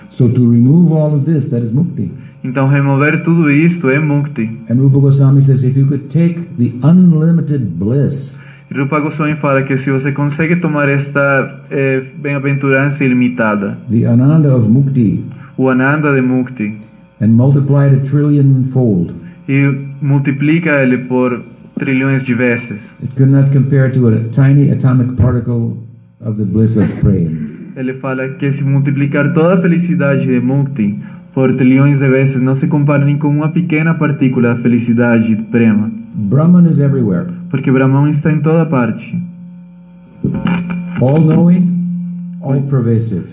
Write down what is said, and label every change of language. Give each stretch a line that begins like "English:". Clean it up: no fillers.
English: So to remove all of this, that is mukti.
Portuguese: Então remover tudo isto é mukti.
English: And Rupa Goswami says, if you could take the unlimited bliss.
Portuguese: Rupa Goswami fala que se você consegue tomar esta bem-aventurança ilimitada,
English: the ananda of mukti,
Portuguese: o ananda de mukti,
English: and multiply it a trillion fold.
Portuguese: E multiplica ele por trilhões de vezes.
English: It could not compare to a tiny atomic particle of the bliss of praying.
Portuguese: Ele fala que se multiplicar toda a felicidade de mukti por trilhões de vezes não se compara nem com uma pequena partícula da felicidade de prema.
English: Brahman is everywhere.
Portuguese: Porque Brahman está em toda parte.
English: All knowing, all pervasive.